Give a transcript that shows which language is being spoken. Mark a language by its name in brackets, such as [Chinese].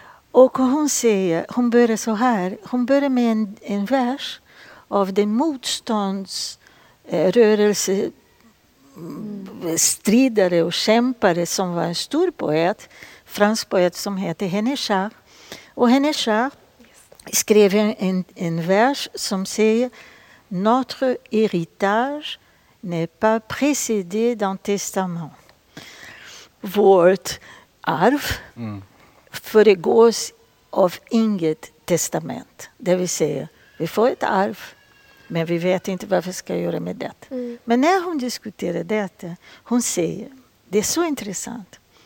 [Swedish] Och hon säger, hon börjar så här, hon börjar med en vers av den motståndsrörelsestridare och kämpare som var en stor poet, fransk poet som heter Henechar. Och Henechar skrev en vers som säger: [French] Notre héritage n'est pas précédé d'un testament. [Swedish] Vårt arv föregås av inget testament. Det vill säga, vi får ett arv, men vi vet inte vad vi ska göra med det. Mm. Men när hon diskuterar detta, hon säger, det är så intressant.